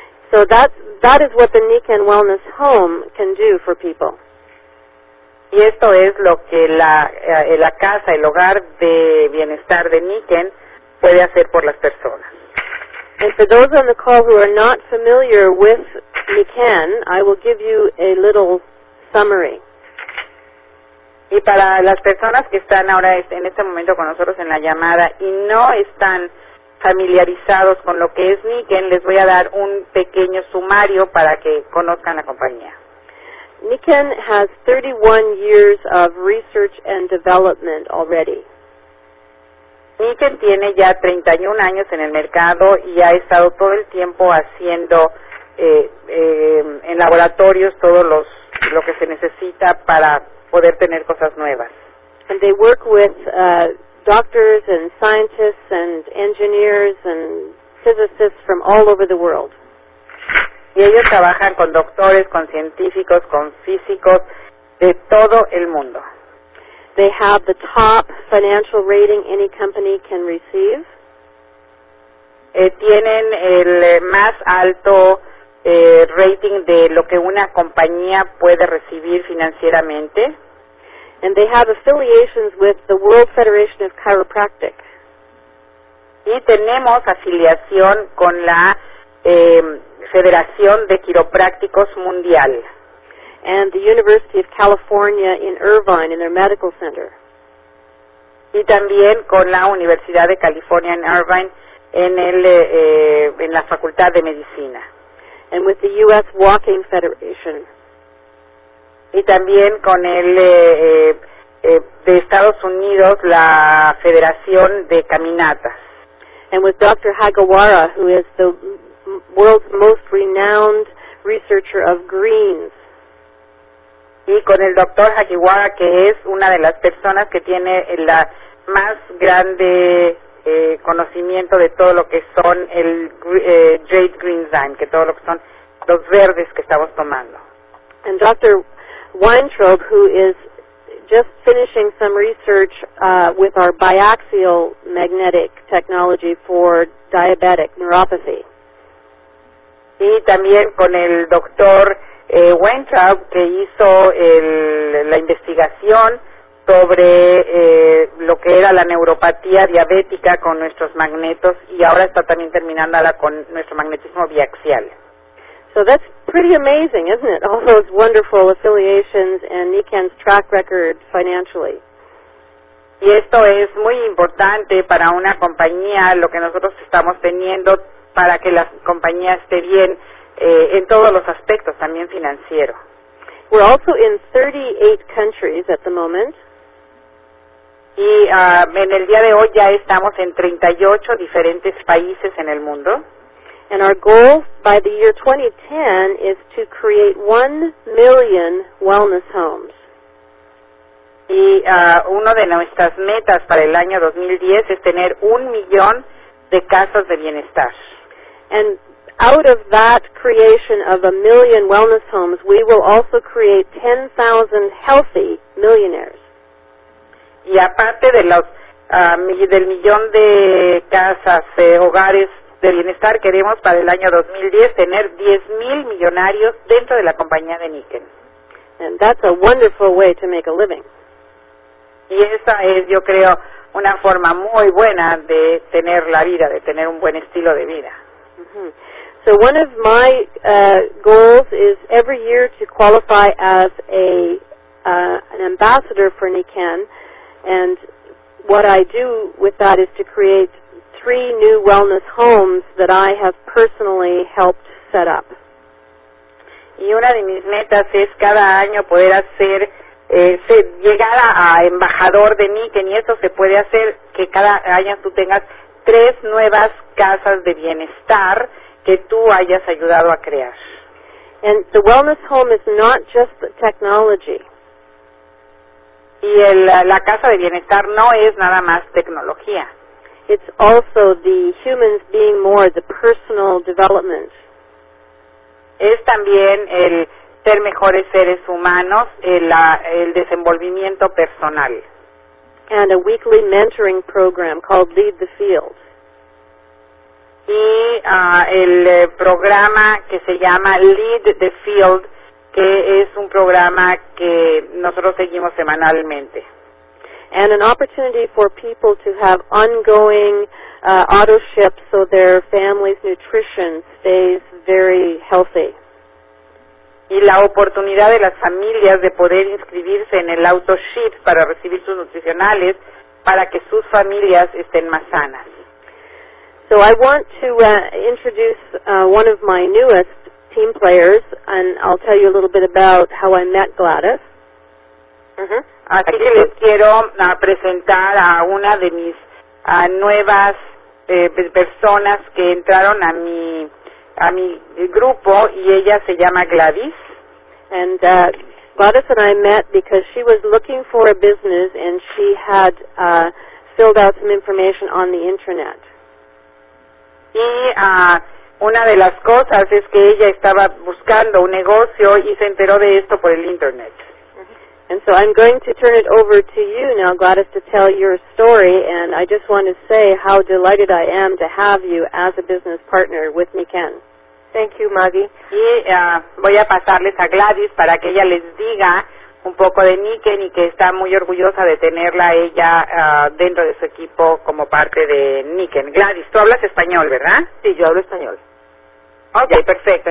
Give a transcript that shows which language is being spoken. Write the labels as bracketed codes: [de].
[en] So that is what the Niken Wellness Home can do for people. [es] Y esto es lo que la casa, el hogar de bienestar de Niken puede hacer por las personas. [en] And for those on the call who are not familiar with Niken, I will give you a little summary. [es] Y para las personas que están ahora en este momento con nosotros en la llamada y no están familiarizados con lo que es Niken, les voy a dar un pequeño sumario para que conozcan la compañía. [en] Niken has 31 years of research and development already. [es] Niken tiene ya 31 años en el mercado y ha estado todo el tiempo haciendo en laboratorios todos lo que se necesita para poder tener cosas nuevas. [en] And they work with doctors and scientists and engineers and physicists from all over the world. [es] Y ellos trabajan con doctores, con científicos, con físicos de todo el mundo. [en] They have the top financial rating any company can receive. [es] Tienen el más alto rating de lo que una compañía puede recibir financieramente. [en] And they have affiliations with the World Federation of Chiropractic. [es] Y tenemos afiliación con la Federación de Quiroprácticos Mundial. [en] And the University of California in Irvine in their medical center. [es] Y también con la Universidad de California en Irvine en en la Facultad de Medicina. [en] And with the U.S. Walking Federation. [es] Y también con de Estados Unidos, la Federación de Caminatas. [en] And with Dr. Hagawara, who is the world's most renowned researcher of greens. [es] Y con el Dr. Hagawara, que es una de las personas que tiene el más grande conocimiento de todo lo que son el Jade Greenzyme, que todo lo que son los verdes que estamos tomando. [en] And Dr. Weintraub, who is just finishing some research with our biaxial magnetic technology for diabetic neuropathy. [es] Y también con el Dr. Weintraub, que hizo la investigación sobre lo que era la neuropatía diabética con nuestros magnetos y ahora está también terminándola con nuestro magnetismo biaxial. [en] So that's pretty amazing, isn't it? All those wonderful affiliations and Niken's track record financially. [es] Y esto es muy importante para una compañía, lo que nosotros estamos teniendo para que la compañía esté bien en todos los aspectos, también financiero. [en] We're also in 38 countries at the moment. [es] Y en el día de hoy ya estamos en 38 diferentes países en el mundo. [en] And our goal by the year 2010 is to create 1,000,000 wellness homes. [es] Y uno de nuestras metas para el año 2010 es tener 1,000,000 de casas de bienestar. [en] And out of that creation of a million wellness homes, we will also create 10,000 healthy millionaires. [es] Y aparte de los del millón de casas, hogares de bienestar, queremos para el año 2010 tener 10,000 millonarios dentro de la compañía de Niken. [en] And that's a wonderful way to make a living. [es] Y esa es, yo creo, una forma muy buena de tener la vida, de tener un buen estilo de vida. Mm-hmm. [en] So one of my goals is every year to qualify as an ambassador for Niken, and what I do with that is to create 3 new wellness homes that I have personally helped set up. [es] Y una de mis metas es cada año poder hacer, llegar a embajador de Niken, y eso se puede hacer que cada año tú tengas 3 nuevas casas de bienestar que tú hayas ayudado a crear. [en] And the wellness home is not just the technology. [es] Y la casa de bienestar no es nada más tecnología. [en] It's also the humans being more, the personal development. [es] Es también el ser mejores seres humanos, el desenvolvimiento personal. [en] And a weekly mentoring program called Lead the Field. [es] Y el programa que se llama Lead the Field, que es un programa que nosotros seguimos semanalmente. [en] And an opportunity for people to have ongoing autoship so their family's nutrition stays very healthy. [es] Y la oportunidad de las familias de poder inscribirse en el autoship para recibir sus nutricionales para que sus familias estén más sanas. [en] So I want to introduce one of my newest team players, and I'll tell you a little bit about how I met Gladys. Uh-huh. [es] Así que les quiero presentar a una de mis nuevas personas que entraron a mi grupo, y ella se llama Gladys. [en] And Gladys and I met because she was looking for a business and she had filled out some information on the internet. [es] Y una de las cosas es que ella estaba buscando un negocio y se enteró de esto por el internet. [en] And so I'm going to turn it over to you now, Gladys, to tell your story, and I just want to say how delighted I am to have you as a business partner with Niken. Thank you, Maggie. [es] Y voy a pasarles a Gladys para que ella les diga un poco de Niken y que está muy orgullosa de tenerla ella dentro de su equipo como parte de Niken. Gladys, tú hablas español, ¿verdad? Sí, yo hablo español. Ok, ya. Perfecto.